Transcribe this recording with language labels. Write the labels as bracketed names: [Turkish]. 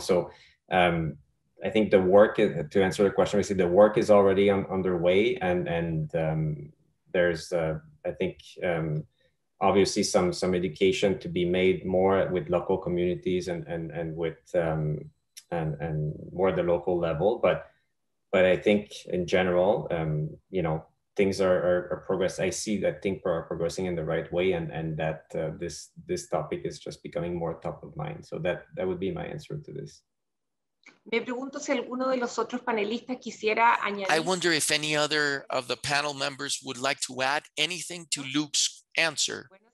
[English] So I think the work, to answer the question, basically the work is already underway, and there's I think obviously some education to be made more with local communities and with and more at the local level, but I think in general, things are progress. I see that things are progressing in the right way, and that this topic is just becoming more top of mind. So that would be my answer to this. [Spanish] Me pregunto si alguno de los otros panelistas quisiera añadir. [English] I wonder if any other of the panel members would like to add anything to Luke's answer.